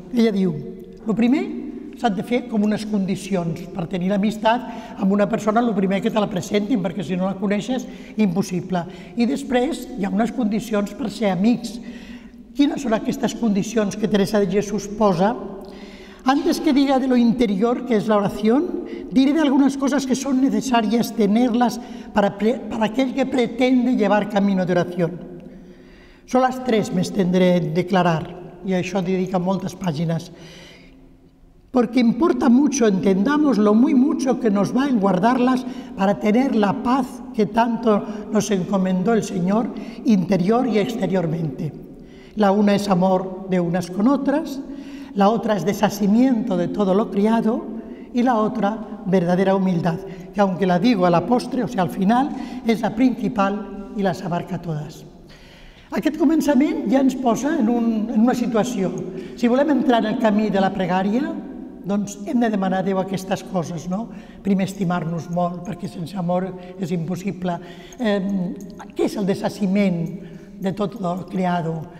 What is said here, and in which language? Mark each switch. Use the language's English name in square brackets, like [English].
[Catalan] Ella diu, el primer s'han de fer com unes condicions per tenir amistat amb una persona, el primer que te la presentin, perquè si no la coneixes, impossible. I després hi ha unes condicions per ser amics. Quines són aquestes condicions que Teresa de Jesús posa? [Spanish] Antes que diga de lo interior, que es la oración, diré de algunas cosas que son necesarias tenerlas para aquel que pretende llevar camino de oración. Son las tres me tendré a declarar, y a eso dedica muchas páginas. Porque importa mucho, entendamos lo muy mucho que nos va en guardarlas para tener la paz que tanto nos encomendó el Señor interior y exteriormente. La una es amor de unas con otras, la otra es desasimiento de todo lo criado y la otra verdadera humildad, que aunque la digo a la postre, o sea, al final, es la principal y las abarca todas. [Catalan] Aquest començament ja ens posa en una situació. Si volem entrar en el camí de la pregària, doncs hem de demanar a Déu aquestes coses, no? Primer, estimar-nos molt, perquè sense amor és impossible. Què és el desasimiento de tot el creado?